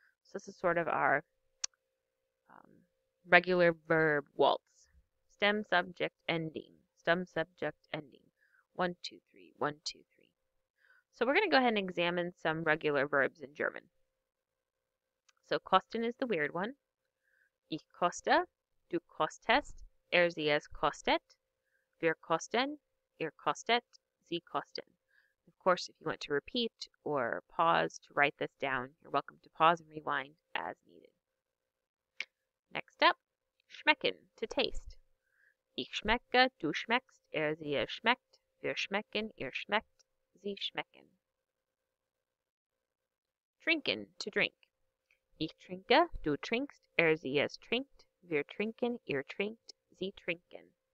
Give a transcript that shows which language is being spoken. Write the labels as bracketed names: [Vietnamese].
[English] So this is sort of our regular verb waltz. Stem, subject, ending. Stem, subject, ending. One, two, three. One, two, three. So we're going to go ahead and examine some regular verbs in German. So kosten is the weird one. [German] Ich koste, du kostest, er, sie, es kostet, wir kosten, ihr kostet, sie kosten. [English] Of course, if you want to repeat or pause to write this down, you're welcome to pause and rewind as needed. Next up, schmecken, to taste. [German] Ich schmecke, du schmeckst, er, sie, es schmeckt, wir schmecken, ihr schmeckt. Sie schmecken. Trinken, [English] to drink. [German] Ich trinke, du trinkst, er, sie, es trinkt, wir trinken, ihr trinkt, sie trinken.